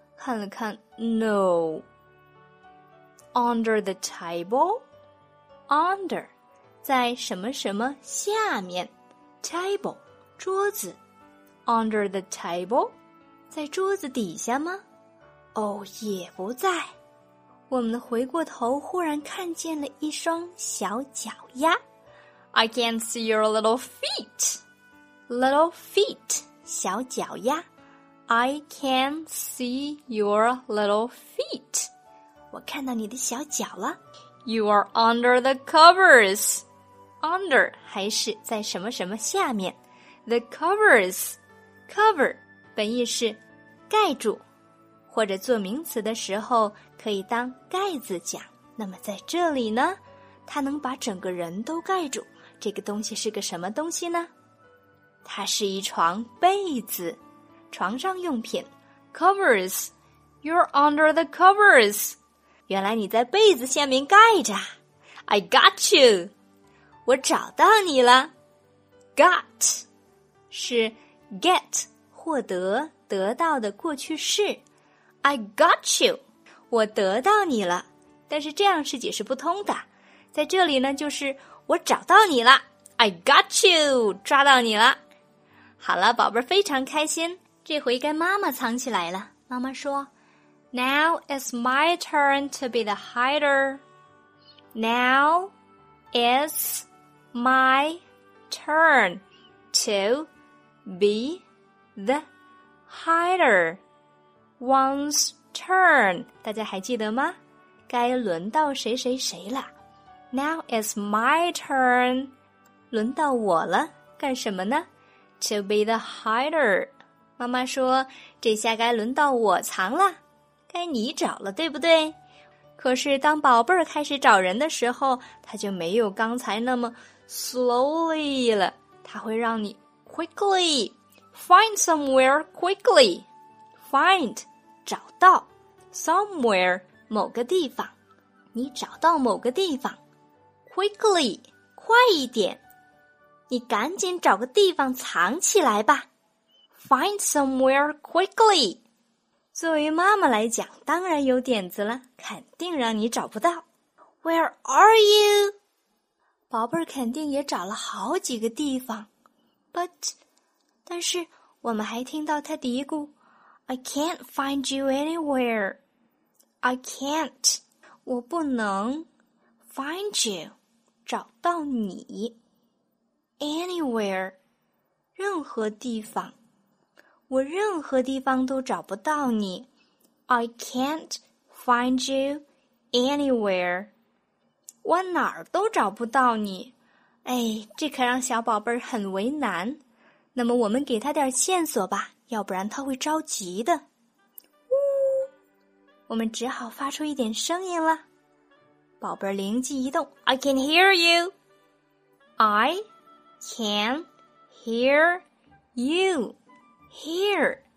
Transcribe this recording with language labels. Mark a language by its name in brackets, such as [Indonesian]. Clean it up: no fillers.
[Chinese] 看了看 , [English] no, under the table, [Chinese] under, 在什么什么下面 ,table, 桌子 , [English] under the table, [Chinese] 在桌子底下吗？哦，也不在。我们回过头，忽然看见了一双小脚丫。 [English] I can see your little feet. Little feet, [Chinese] 小脚丫。 [English] I can see your little feet. [Chinese] 我看到你的小脚了。 [English] You are under the covers. [Chinese] Under, 还是在什么什么下面。The covers, cover, 本意是盖住，或者做名词的时候可以当盖子讲。那么在这里呢，它能把整个人都盖住，这个东西是个什么东西呢？它是一床被子，床上用品。 [English] Covers, you're under the covers. [Chinese] 原来你在被子下面盖着。 [English] I got you. [Chinese] 我找到你了。 [English] Got, [Chinese] 是 get, 获得。得到的过去式 [English] I got you, [Chinese] 我得到你了。但是这样是解释不通的，在这里呢就是我找到你了。 [English] I got you, [Chinese] 抓到你了。好了，宝贝非常开心，这回该妈妈藏起来了。妈妈说 [English] Now is my turn to be the hider. Now is my turn to be thehider, one's turn, [Chinese] 大家还记得吗？该轮到谁谁谁了。 [English] Now is my turn, [Chinese] 轮到我了，干什么呢？ [English] To be the hider. [Chinese] 妈妈说，这下该轮到我藏了，该你找了，对不对？可是当宝贝儿开始找人的时候，他就没有刚才那么 slowly 了，他会让你 quickly [English] Find somewhere quickly. [Chinese] Find, 找到。 Somewhere, 某个地方。你找到某个地方。 Quickly, 快一点。你赶紧找个地方藏起来吧。 [English] Find somewhere quickly. [Chinese] 作为妈妈来讲，当然有点子了，肯定让你找不到。 [English] Where are you? [Chinese] 宝贝儿肯定也找了好几个地方。但是我们还听到他嘀咕 [English] I can't find you anywhere. I can't. [Chinese] 我不能 [English] find you. [Chinese] 找到你 [English] anywhere. [Chinese] 任何地方。我任何地方都找不到你。 [English] I can't find you anywhere. [Chinese] 我哪儿都找不到你。哎，这可让小宝贝儿很为难。那么我们给他点线索吧，要不然他会着急的。呜，我们只好发出一点声音了。宝贝儿灵机一动 [English] ，I can hear you. I can hear you. Hear,